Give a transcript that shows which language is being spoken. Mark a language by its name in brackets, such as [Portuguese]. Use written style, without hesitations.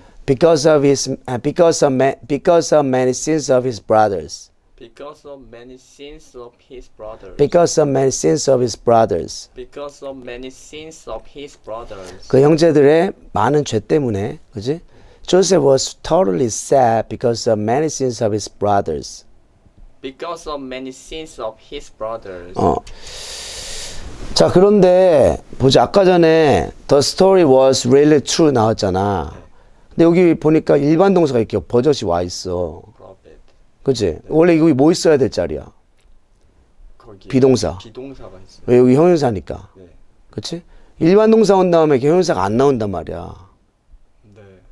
[English] because of his because of many sins of his brothers because of many sins of his brothers because of many sins of his brothers because of many sins of his brothers [Korean] 그 형제들의 많은 죄 때문에 그렇지? [English] Joseph was totally sad because of many sins of his brothers because of many sins of his brothers [Korean] 어. 자, 그런데 보자. 아까 전에 [English] the story was really true [Korean] 나왔잖아. 근데 여기 보니까 일반 동사가 이렇게 버젓이 와 있어. 그치? 네. 원래 이거 뭐 있어야 될 자리야? 거기 비동사. 비동사가 있어. 왜 여기 형용사니까. 네. 그치? 일반 동사 온 다음에 형용사가 안 나온단 말이야. 네.